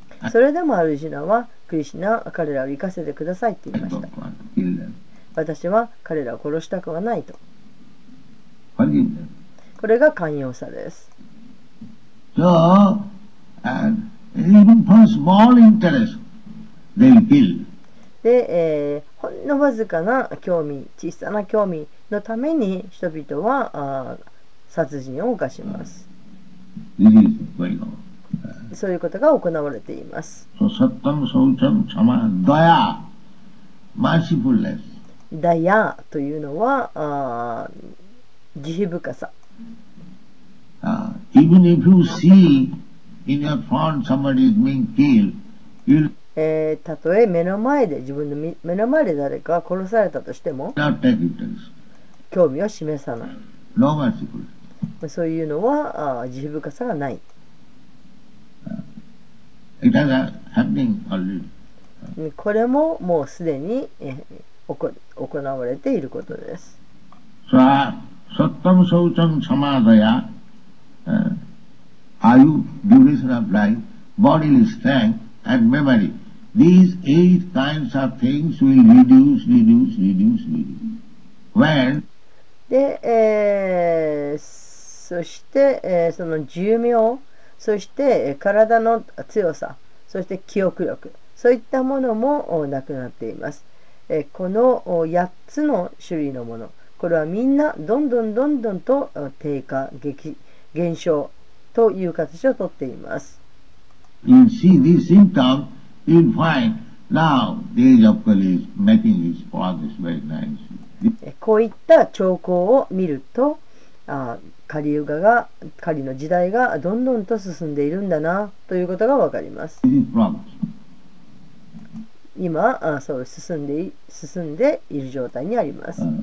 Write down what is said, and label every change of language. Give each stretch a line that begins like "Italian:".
Japanese: それでもアルジュナはクリシナ、彼らを生かせてくださいと言いました。私は彼らを殺したくはないと。これが寛容さです。
English: So, and even for small interest, they kill.
Japanese: で、ほんのわずかな興味、小さな興味のために人々は殺人を犯します。
English: This is going on.
Japanese: そういうことが行われています。
English: So, sattam, saucham, chama, daya, mercifulness.
Japanese: ダヤというのは慈悲深さ。
English: Even if you see in your front somebody is being killed, you
Japanese: たとえ目の前で自分の目の前で誰かが殺されたとしても、興味を示さない。
English: No merciful。
Japanese: そういうのは慈悲深さがない。
English: It has happening already。
Japanese: これももうすでに行われていることです。
English: So, sattam saucham samadaya, ayu, duration of life, bodily strength and memory. These eight kinds of things will reduce, reduce, reduce, reduce. When?
Japanese: で、そして、その寿命、そして体の強さ、そして記憶力。そういったものもなくなっています。この8つの種類のもの、これはみんなどんどんどんどんと低下、減少という形をとっています。
English: You see this symptom, you find now the age of Kali is making his progress very nicely.
Japanese: こういった兆候を見ると、カリユガが、カリの時代がどんどんと進んでいるんだなということがわかります。今そう進んでいる状態にあります。